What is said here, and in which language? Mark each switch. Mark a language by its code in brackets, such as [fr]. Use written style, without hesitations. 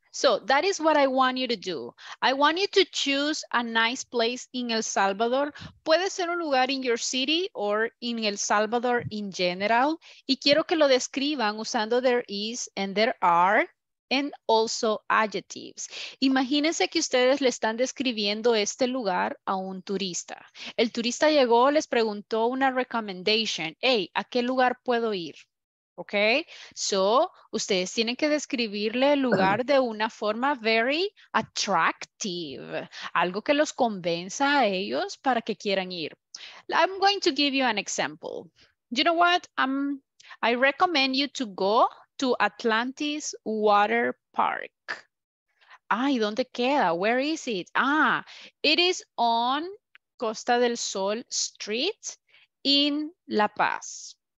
[en] So, that is what I want you to do. I want you to choose a nice place in El Salvador. [es] Puede ser un lugar [en] in your city or in El Salvador in general. [es] Y quiero que lo describan usando [en] there is and there are and also adjectives. [es] Imagínense que ustedes le están describiendo este lugar a un turista. El turista llegó, les preguntó una recommendation. Hey, ¿a qué lugar puedo ir? Okay, so ustedes tienen que describirle el lugar de una forma [en] very attractive, [es] algo que los convenza a ellos para que quieran ir. [en] I'm going to give you an example. You know what? I recommend you to go to Atlantis Water Park. [es] Ay, ¿dónde queda? [en] Where is it? Ah, it is on Costa del Sol Street in La Paz.